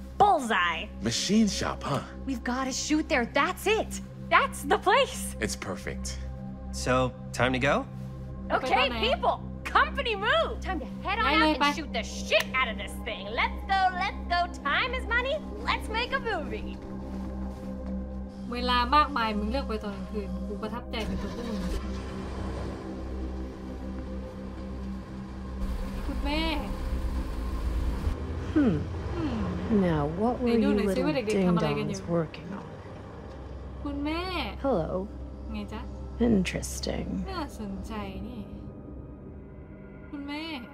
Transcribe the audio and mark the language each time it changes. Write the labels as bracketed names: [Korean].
[English] Bullseye. Machine shop, huh? We've got to shoot there. That's it. That's the place. It's perfect. So, time to go? Okay, people, company move. Time to head on out and shoot the shit out of this thing. Let's go. Time is money. Let's make a movie. [Thai] เวลามากมายมึงเลือกไปตอนกลางคืนกูประทับใจในตัวพวกมึงคุณแม่ [English] Now what were you little ding-dongs working on [Thai] คุณแม่ [English] Hello [Thai] ไงจ๊ะ [English] Interesting [Thai] น่าสนใจนี่คุณแม่